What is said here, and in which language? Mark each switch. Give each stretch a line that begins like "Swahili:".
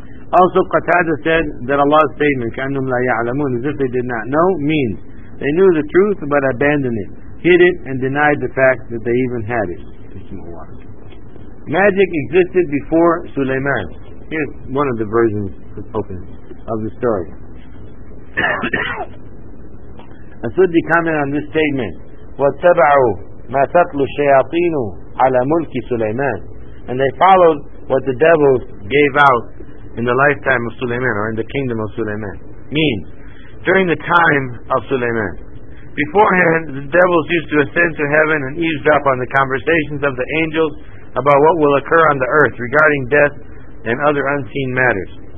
English: Also, Qatada said that Allah's statement,
Arabic: كَأَنَّهُمْ لَا يَعْلَمُونَ,
English: as if they did not know, means they knew the truth but abandoned it, hid it, and denied the fact that they even had it. Magic existed before Suleiman. Here's one of the versions spoken of the story. As-Suddi commented on this statement,
Arabic: وَاتَّبَعُوا مَا تَطْلُ الشَّيَاطِينُ عَلَى مُلْكِ سُلَيْمَانَ.
English: And they followed what the devils gave out in the lifetime of Suleiman, or in the kingdom of Suleiman. Means, during the time of Suleiman. Beforehand, the devils used to ascend to heaven and eavesdrop on the conversations of the angels about what will occur on the earth regarding death and other unseen matters.